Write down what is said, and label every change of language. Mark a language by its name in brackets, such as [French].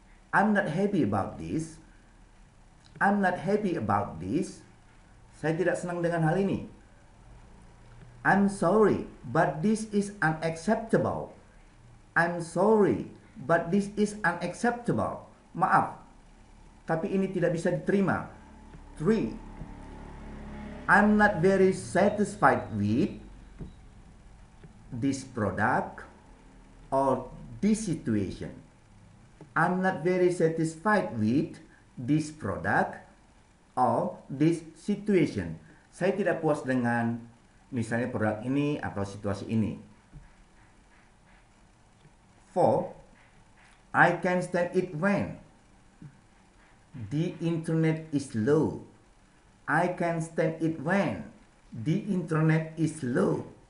[English] I'm not happy about this. I'm not happy about this. [Indonesian] Saya tidak senang dengan hal ini. [English] I'm sorry, but this is unacceptable. I'm sorry, but this is unacceptable. [Indonesian] Maaf, tapi ini tidak bisa diterima. [English] Three, I'm not very satisfied with this product or this situation. I'm not very satisfied with this product or this situation. [Indonesian] Saya tidak puas dengan misalnya produk ini atau situasi ini. [English] Four, I can't stand it when the internet is slow. I can't stand it when the internet is slow.